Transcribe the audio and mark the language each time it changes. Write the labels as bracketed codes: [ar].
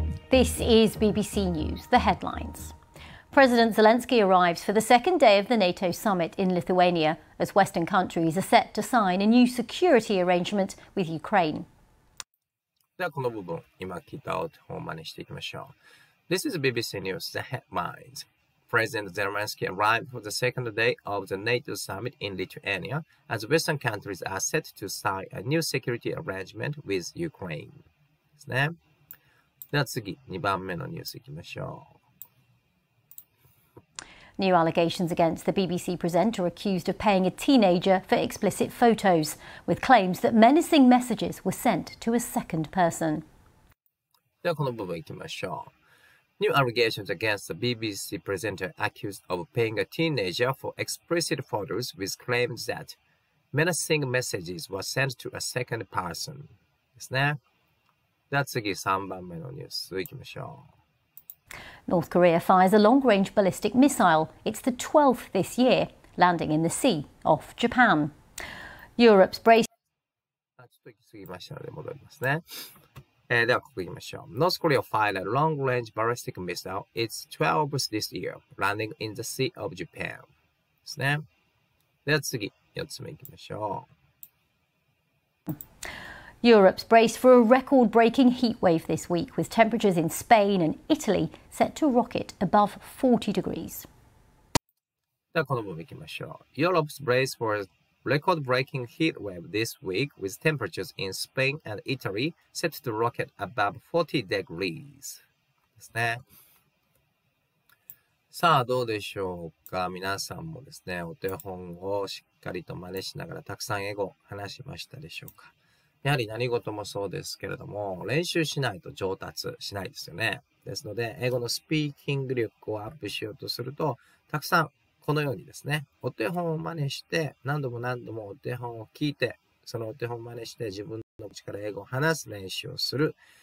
[en] This is BBC News, the headlines. President Zelensky arrives for the second day of the NATO summit in Lithuania as Western countries are set to sign a new security arrangement with Ukraine. [ja] ではこの部分、今聞いた音を真似していきましょう。 [en] This is BBC News, the headlines. President Zelensky arrived for the second day of the NATO summit in Lithuania as Western countries are set to sign a new security arrangement with Ukraine. [ja] ですね。では次、2番目のニュースいきましょう。 [en] New allegations against the BBC presenter accused of paying a teenager for explicit photos, with claims that menacing messages were sent to a second person. [ja] ではこの部分いきましょう。 [en] New allegations against the BBC presenter accused of paying a teenager for explicit photos with claims that menacing messages were sent to a second person. [ja] ですね。では次3番目のニュースいきましょう。 [en] North Korea fires a long-range ballistic missile. It's the 12th this year, landing in the sea off Japan. Europe's brace. [ja] ちょっと行き過ぎましたので戻りますね。ではここ行きましょう。 [en] North Korea fired a long-range ballistic missile. It's 12th this year, landing in the sea of Japan. [ja] ですね。では次、4つ目行きましょう。 [en] Europe's braced for a record-breaking heatwave this week, with temperatures in Spain and Italy set to rocket above 40 degrees. [ja] ではこの部分行きましょう。 [en] Europe's braced for a record-breaking heatwave this week, with temperatures in Spain and Italy set to rocket above 40 degrees. [ja] ですね。さあどうでしょうか。皆さんもですね、お手本をしっかりと真似しながらたくさん英語話しましたでしょうか。やはり何事もそうですけれども、練習しないと上達しないですよね。ですので、英語のスピーキング力をアップしようとすると、たくさんこのようにですね、お手本を真似して、何度も何度もお手本を聞いて、そのお手本を真似して自分の口から英語を話す練習をする。